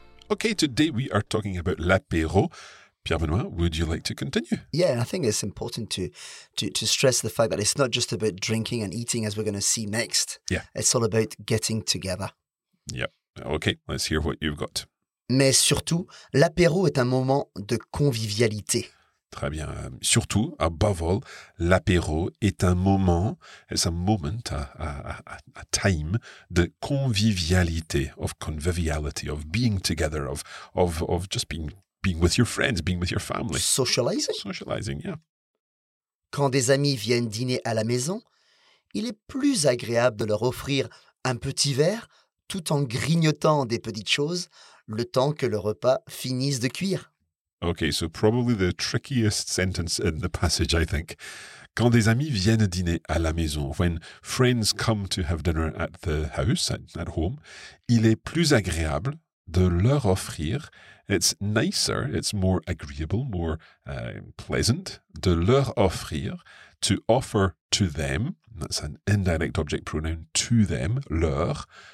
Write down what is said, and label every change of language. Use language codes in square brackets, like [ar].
[en] Okay, today we are talking about l'apéro. Pierre-Benoît, would you like to continue? Yeah, I think it's important to stress the fact that it's not just about drinking and eating, as we're going to see next. Yeah. It's all about getting together. Yep. Okay, let's hear what you've got. [fr] Mais surtout, l'apéro est un moment de convivialité. Très bien. [en] Surtout, above all, [fr] l'apéro est un moment, [en] it's a moment, a time [fr] de convivialité, [en] of conviviality, of being together, of just being with your friends, being with your family. Socializing, yeah. [fr] Quand des amis viennent dîner à la maison, il est plus agréable de leur offrir un petit verre tout en grignotant des petites choses le temps que le repas finisse de cuire. [en] Okay, so probably the trickiest sentence in the passage, I think. [fr] Quand des amis viennent dîner à la maison, [en] when friends come to have dinner at the house, at home, [fr] il est plus agréable de leur offrir, [en] it's nicer, it's more agreeable, more pleasant, [fr] de leur offrir, [en] to offer to them, that's an indirect object pronoun, to them, leur.